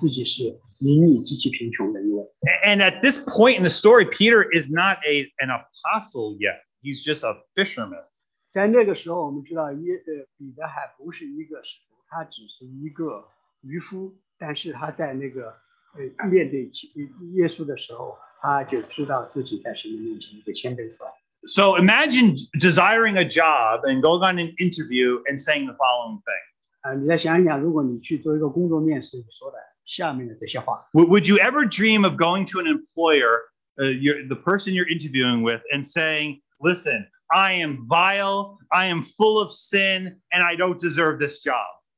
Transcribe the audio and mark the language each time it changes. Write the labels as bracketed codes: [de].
[zh] 在这里我们看见彼得在他有一个表现出来，他说的什么呢？他说：“哦，主啊，离开我！啊，我是个罪人。”因为他那时候他真实意识到自己什么都不是，意识到自己什么都没有，他意识到自己是邻里极其贫穷的一位。 [en] And at this point in the story, Peter is not an apostle yet. He's just a fisherman. [zh] 在那个时候，我们知道彼得还不是一个使徒，他只是一个渔夫。但是他在那个面对耶稣的时候，他就知道自己在神的面前一个谦卑出来。 [en] So imagine desiring a job and going on an interview and saying the following thing. [zh] 你再想一想，如果你去做一个工作面试，你说的下面的这些话。 [en] Would you ever dream of going to an employer, the person you're interviewing with, and saying, listen, I am vile, I am full of sin, and I don't deserve this job.